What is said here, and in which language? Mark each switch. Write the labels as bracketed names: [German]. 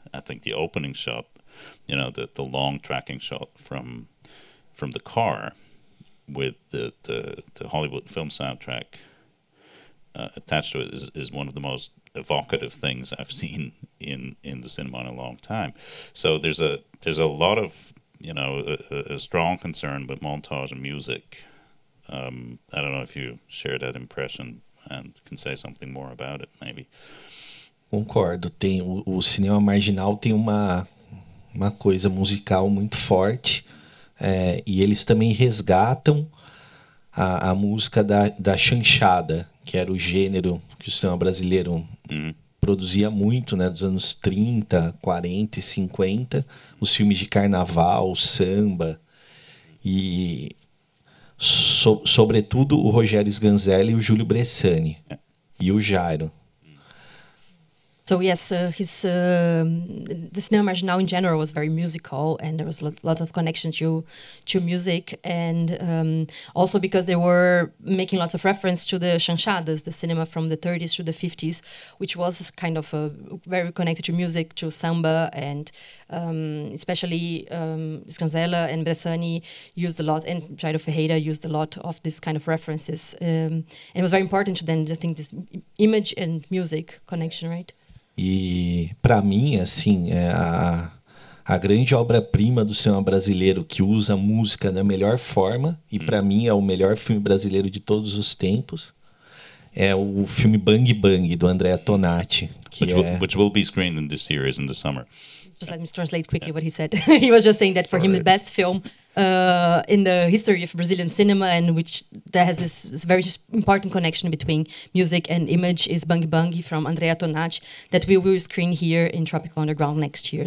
[English] I think the opening shot, you know, the long tracking shot from the car with the Hollywood film soundtrack attached to it is one of the most evocative things I've seen in the cinema in a long time. So there's a lot of, you know, a strong concern with montage and music. I don't know if you share that impression and can say something more about it, maybe. [Portuguese] Concordo. Tem o cinema marginal tem uma coisa musical muito forte, e eles também resgatam a música da chanchada, que era o gênero que o cinema brasileiro produzia muito, né, dos anos 30, 40 e 50, os filmes de carnaval, samba, e sobretudo o Rogério Sganzella e o Júlio Bressani, e o Jairo. [English] So yes, the cinema marginal in general was very musical, and there was lot of connection to music, and also because they were making lots of reference to the chanchadas, the cinema from the 30s to the 50s, which was kind of very connected to music, to samba, and especially Sganzella and Bressani used a lot, and Jairo Ferreira used a lot of this kind of references. And it was very important to them, I think, this image and music connection, right? [Portuguese] E para mim, assim, a grande obra-prima do cinema brasileiro que usa música da melhor forma, e para mim é o melhor filme brasileiro de todos os tempos, é o filme Bang Bang, do Andrea Tonati. [English] Which will be screened in this series in the summer. Just let me translate quickly what he said. He was just saying that for him the best film in the history of Brazilian cinema, and which there has this very important connection between music and image, is Bang Bang from Andrea Tonati, that we will screen here in Tropical Underground next year.